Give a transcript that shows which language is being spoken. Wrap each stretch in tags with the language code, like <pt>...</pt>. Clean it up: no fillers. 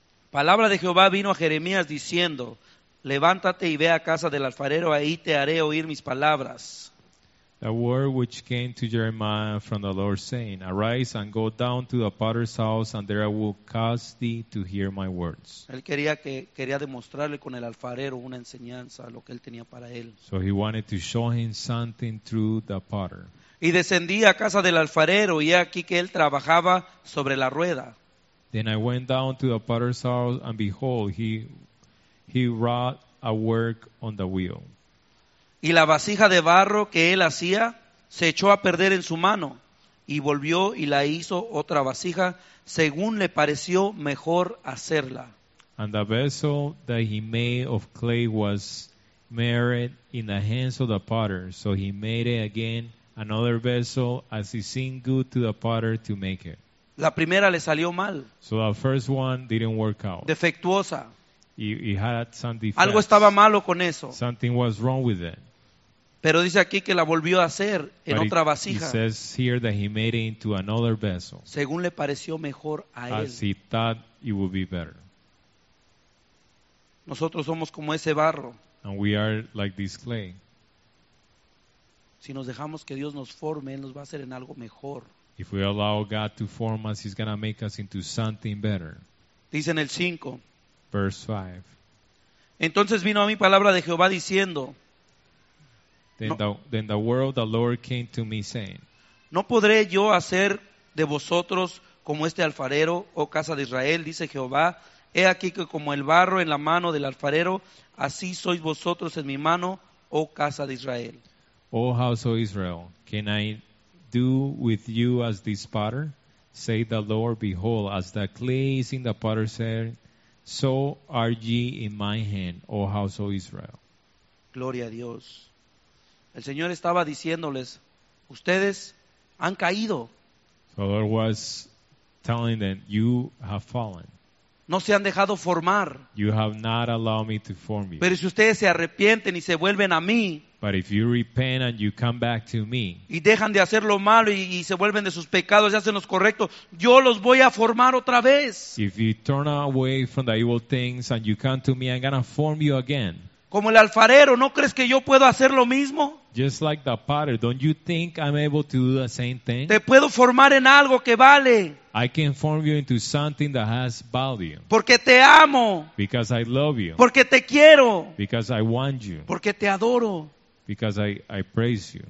<es>Palabra de Jehová vino a Jeremías diciendo, levántate y ve a casa del alfarero, ahí te haré oír mis palabras.</es> <en>The word which came to Jeremiah from the Lord saying, arise and go down to the potter's house and there I will cause thee to hear my words.</en> <es>Él quería demostrarle con el alfarero una enseñanza, lo que él tenía para él.</es> <en>So he wanted to show him something through the potter.</en> <es>Y descendí a casa del alfarero y aquí que él trabajaba sobre la rueda.</es> <en>Then I went down to the potter's house and behold, he wrought a work on the wheel.</en> <es>Y la vasija de barro que él hacía se echó a perder en su mano y volvió y la hizo otra vasija según le pareció mejor hacerla.</es> <en>And the vessel that he made of clay was marred in the hands of the potter, so he made it again another vessel as it seemed good to the potter to make it.</en> <es>La primera le salió mal.</es> <en>So the first one didn't work out.</en> <es>Defectuosa.</es> <en>He had some defects.</en> <es>Algo estaba malo con eso.</es> <en>Something was wrong with it.</en> <es>Pero dice aquí que la volvió a hacer en</es> <en>But</en> <es>otra vasija.</es> <en>He says here that he made it into another vessel.</en> <es>Según le pareció mejor a él.</es> <en>As he thought it would be better.</en> <es>Nosotros somos como ese barro.</es> <en>And we are like this clay.</en> <es>Si nos dejamos que Dios nos forme, Él nos va a hacer en algo mejor.</es> <en>If we allow God to form us, He's going to make us into something better.</en> <es>Dice en el 5.</es> <en>Verse 5.</en> <es>Entonces vino a mí palabra de Jehová diciendo.</es> <en>Then the word of the Lord came to me saying.</en> <es>No podré yo hacer de vosotros como este alfarero, oh casa de Israel, dice Jehová. He aquí que como el barro en la mano del alfarero, así sois vosotros en mi mano, oh casa de Israel.</es> <en>Oh house of Israel, can I do with you as this potter? Say the Lord, behold, as the clay is in the potter's hand, so are ye in my hand, oh house of Israel.</en> <es>Gloria a Dios. El Señor estaba diciéndoles, ustedes han caído.</es> <en>So the Lord was telling them, you have fallen.</en> <es>No se han dejado formar.</es> <en>You have not allowed me to form you.</en> <es>Pero si ustedes se arrepienten y se vuelven a mí.</es> <en>But if you repent and you come back to me.</en> <es>Y dejan de hacer lo malo y se vuelven de sus pecados y hacen los correctos. Yo los voy a formar otra vez.</es> <en>If you turn away from the evil things and you come to me, I'm going to form you again.</en> <es>Como el alfarero, ¿no crees que yo puedo hacer lo mismo?</es> <en>Just like the potter, don't you think I'm able to do the same thing?</en> <es>Te puedo formar en algo que vale.</es> <en>I can form you into something that has value.</en> <es>Porque te amo.</es> <en>Because I love you.</en> <es>Porque te quiero.</es> <en>Because I want you.</en> <es>Porque te adoro.</es> <en>Because I praise you.</en>